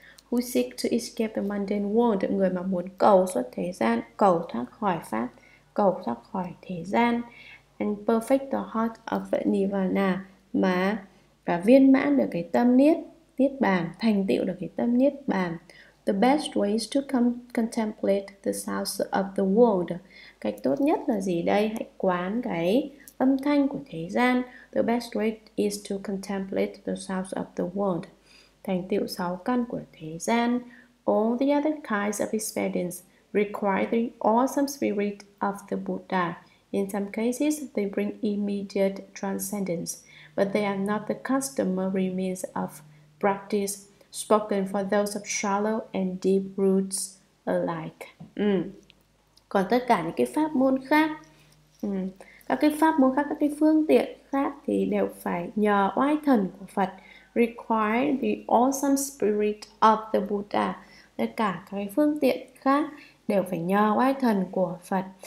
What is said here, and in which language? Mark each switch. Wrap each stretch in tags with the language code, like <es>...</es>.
<en>Who seek to escape the mundane world,</en> <vi>người mà muốn cầu xuất thế gian, cầu thoát khỏi pháp, cầu thoát khỏi thế gian,</vi> <en>and perfect the heart of Nirvana,</en> <vi>và viên mãn được cái tâm niết niết bàn, thành tựu được cái tâm niết bàn.</vi> <en>The best ways to contemplate the sounds of the world.</en> <vi>Cách tốt nhất là gì đây? Hãy quán cái âm thanh của thế gian.</vi> <en>The best way is to contemplate the sounds of the world.</en> <vi>Thành tựu sáu căn của thế gian.</vi> <en>All the other kinds of experience require the awesome spirit of the Buddha. In some cases, they bring immediate transcendence, but they are not the customary means of practice spoken for those of shallow and deep roots alike.</en> <vi>Còn tất cả những cái pháp môn khác, các cái phương tiện khác thì đều phải nhờ oai thần của Phật.</vi> <en>Require the awesome spirit of the Buddha.</en> <vi>Tất cả các cái phương tiện khác đều phải nhờ oai thần của Phật.</vi>